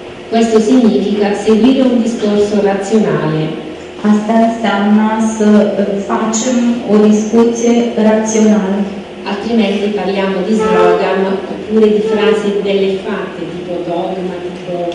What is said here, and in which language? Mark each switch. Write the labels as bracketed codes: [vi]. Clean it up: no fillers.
[it] Questo significa seguire un discorso razionale. [ro] Asta înseamnă să facem o discuție rațională. [it] Altrimenti parliamo di slogan oppure di frasi belle fatte, tipo dogma, tipo...